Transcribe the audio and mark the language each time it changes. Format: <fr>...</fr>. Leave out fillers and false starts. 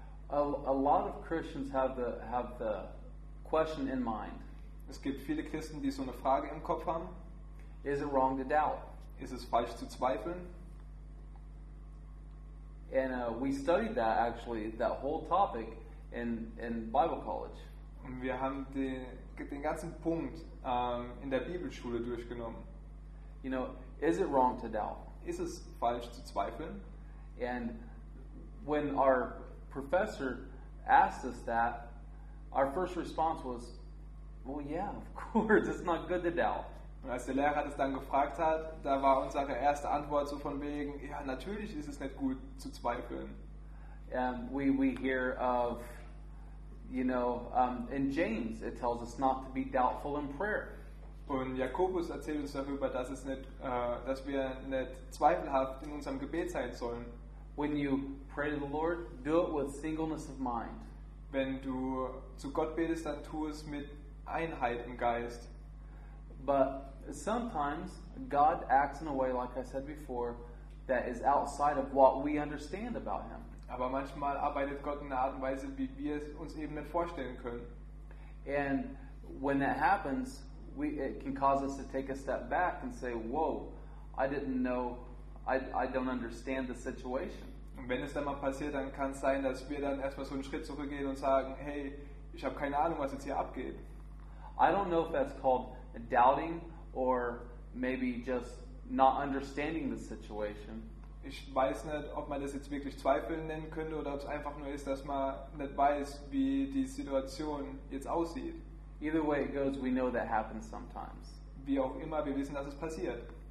<en>A lot of Christians have the question in mind.</en> <de>Es gibt viele Christen, die so eine Frage im Kopf haben.</de> <en>Is it wrong to doubt?</en> <de>Ist es falsch zu zweifeln?</de> <en>And we studied that actually, that whole topic in Bible college.</en> <de>Und wir haben den ganzen Punkt in der Bibelschule durchgenommen.</de> <en>You know, is it wrong to doubt?</en> <de>Ist es falsch zu zweifeln?</de> <en>And when our professor asked us that, Our first response was, well, yeah, of course, it's not good to doubt.</en> <de>Und als der Lehrer das dann gefragt hat, da war unsere erste Antwort so von wegen, ja, natürlich ist es nicht gut zu zweifeln.</de> <en>We hear of, you know, in James it tells us not to be doubtful in prayer.</en> <de>Und Jakobus erzählt uns darüber, dass es nicht, dass wir nicht zweifelhaft in unserem Gebet sein sollen.</de> <en>When you pray to the Lord, do it with singleness of mind.</en> <de>Wenn du zu Gott betest, dann tu es mit Einheit im Geist.</de> <en>But sometimes God acts in a way, like I said before, that is outside of what we understand about Him.</en> <de>Aber manchmal arbeitet Gott in einer Art und Weise, wie wir es uns eben nicht vorstellen können.</de> <en>And when that happens, it can cause us to take a step back and say, "Whoa, I didn't know. I don't understand the situation."</en> <de>Und wenn es dann mal passiert, dann kann es sein, dass wir dann erstmal so einen Schritt zurückgehen und sagen, "Hey, ich habe keine Ahnung, was jetzt hier abgeht."</de> <en>I don't know if that's called doubting or maybe just not understanding the situation.</en> <de>Ich weiß nicht, ob man das jetzt wirklich Zweifeln nennen könnte oder ob es einfach nur ist, dass man nicht weiß, wie die Situation jetzt aussieht.</de> <en>Either way it goes, we know that happens sometimes.</en> <de>Wie auch immer, wir wissen, dass es passiert.</de>